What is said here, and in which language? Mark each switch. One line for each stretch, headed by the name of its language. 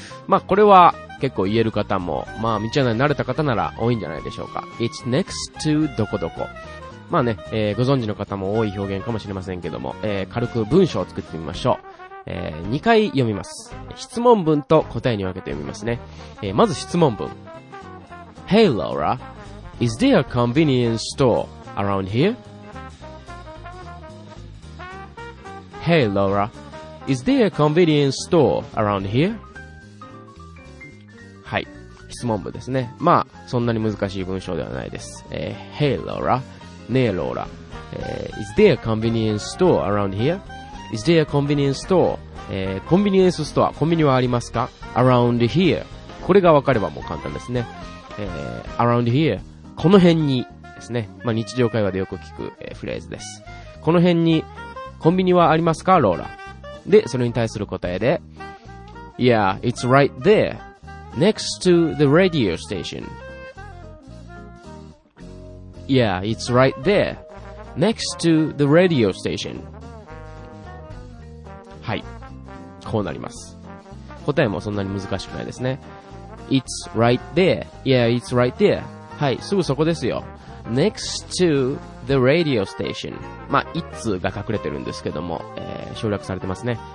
Japanese: まあこれは結構言える方も、まあ道案内慣れた方なら多いんじゃないでしょうか。
English: It's next to
Japanese: どこどこ、まあね、ご存知の方も多い表現かもしれませんけども、軽く文章を作ってみましょう。 2回読みます。質問文と答えに分けて読みますね。まず質問文、
English: Hey Laura, is there a convenience store around here? Hey Laura, is there a convenience store around here?
Japanese: はい、質問文ですね。まあそんなに難しい文章ではないです。
English: Hey Laura,
Japanese: ねえローラ、
English: is there a convenience store around here? Is there a convenience store?
Japanese: コンビニエンスストア、コンビニはありますか ？
English: Around here、
Japanese: これがわかればもう簡単ですね。
English: Around here、
Japanese: この辺にですね。まあ日常会話でよく聞く、フレーズです。この辺に。コンビニはありますか、ローラ。で、それに対する答えで、
English: Yeah, it's right there, next to the radio station. Yeah, it's right there, next to the radio station.
Japanese: はい、こうなります。答えもそんなに難しくないですね。
English: It's right there, yeah, it's right there.
Japanese: はい、すぐそこですよ。
English: Next to the radio station.
Japanese: まあ、it's が隠れてるんですけども、省略されてますね。